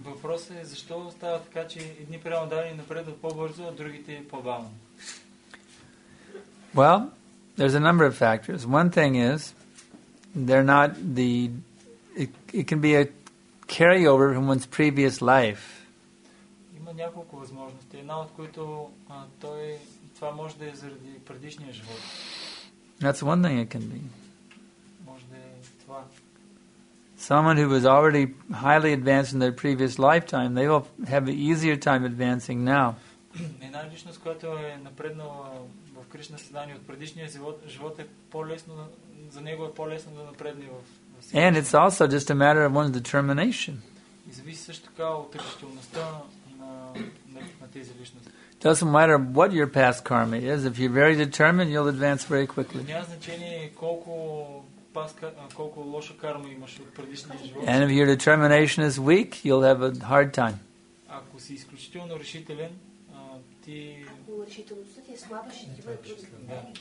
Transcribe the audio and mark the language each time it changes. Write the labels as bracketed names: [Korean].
[English] The question is, why is it that some devotees advance faster and others slower? Well, there's a number of factors. One thing is, they're not the. It can be a carryover from one's previous life. [Bulgarian] Има няколко възможности. Една от които той това може да е заради предишния живот. [English] That's one thing it can be. [Bulgarian] Може да е това. [English] Someone who was already highly advanced in their previous lifetime, they will have an easier time advancing now. [Bulgarian] Една личност, която е напреднала в Кришна съзнание от предишния живот, е по-лесно за него е по-лесно да напредне в [English] And it's also just a matter of one's determination. [Bulgarian] И зависи също така от решителността на тези личности. [English] Doesn't matter what your past karma is, if you're very determined, you'll advance very quickly. [Bulgarian] Няма значение колко лоша карма имаш от предишния живот. [English] And if your determination is weak, you'll have a hard time. [Bulgarian] Ако си изключително решителен, ти Ако решителността ти е слаба, ще ти бъде трудно.